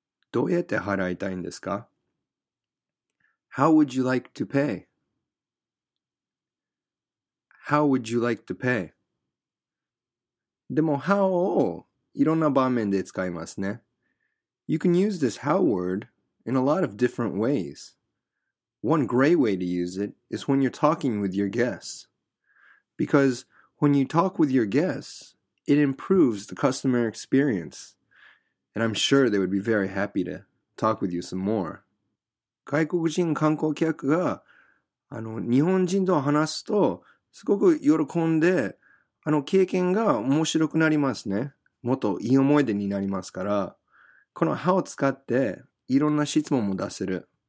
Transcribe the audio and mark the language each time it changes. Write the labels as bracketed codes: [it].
[ja] どうやって払いたいんですか? [en] How would you like to pay? How would you like to pay? [ja] でも、how をいろんな場面で使いますね。 [en] You can use this how word in a lot of different ways. One great way to use it is when you're talking with your guests. Because when you talk with your guests, it improves the customer experience. And I'm sure they would be very happy to talk with you some more. [ja] 外国人観光客が日本人と話すとすごく喜んで経験が面白くなりますね。もっといい思い出になりますから、この how を使っていろんな質問も出せる。